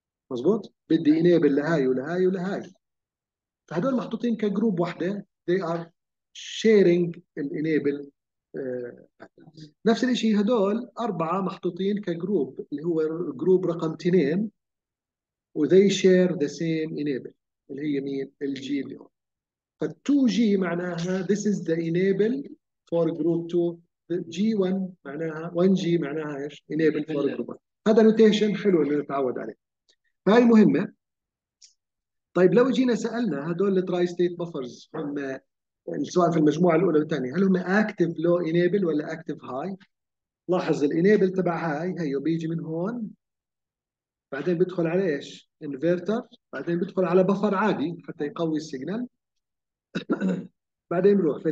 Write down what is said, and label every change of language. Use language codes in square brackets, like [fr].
[ar] مزبوط؟ بدي انيبل لهاي ولهاي ولهاي. فهدول محطوطين كجروب واحده، [en] they are sharing [ar] الانيبل. نفس الشيء هدول اربعه محطوطين كجروب اللي هو جروب رقم 2 و [en] they share the same enable [ar] اللي هي مين؟ الجي اللي هون. فال2 جي معناها [en] this is the enable for group 2، [ar] جي 1 معناها 1 جي معناها ايش؟ [en] enable for group 1. [ar] هذا نوتيشن حلو اللي نتعود عليه. فهي مهمه. طيب لو جينا سالنا هذول التراي ستيت بافرز هم سواء في المجموعه الاولى او الثانيه، هل هم اكتف لو انيبل ولا اكتف هاي؟ لاحظ الانيبل تبع هاي هيو بيجي من هون، بعدين بدخل على ايش؟ انفرتر، بعدين بدخل على بفر عادي حتى يقوي السيجنال بعدين بروح.